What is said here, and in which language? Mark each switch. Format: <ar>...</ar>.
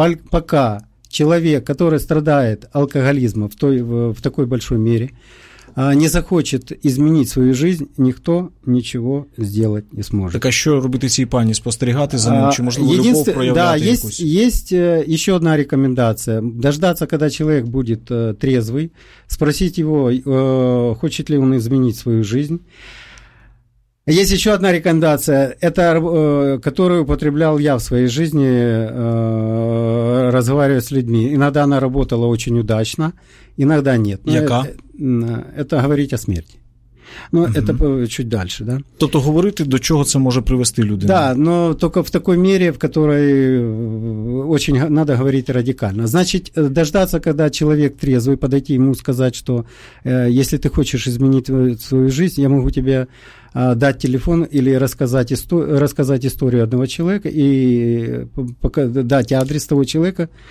<ru>Пока человек, который страдает алкоголизмом в такой большой мере, не захочет изменить свою жизнь, никто ничего сделать не сможет.</ru> <uk>Так а что робити цій пані? Спостерігати за ним? Чи можливо любов проявляти?</uk> <ru>Да, есть еще одна рекомендация. Дождаться, когда человек будет трезвый, спросить его, хочет ли он изменить свою жизнь. Есть еще одна рекомендация, это, которую употреблял я в своей жизни, разговаривая с людьми. Иногда она работала очень удачно, иногда нет.</ru> <uk>Яка?</uk> <ru>Это говорить о смерти. Ну, это чуть дальше, да.</ru> <uk>Тобто говорити, до чого це може привести людину?</uk> <ru>Да, но только в такой мере, в которой очень надо говорить радикально. Значит, дождаться, когда человек трезвый, подойти ему сказать, что если ты хочешь изменить свою жизнь, я могу тебе дать телефон или рассказать историю одного человека и дать адрес того человека.</ru>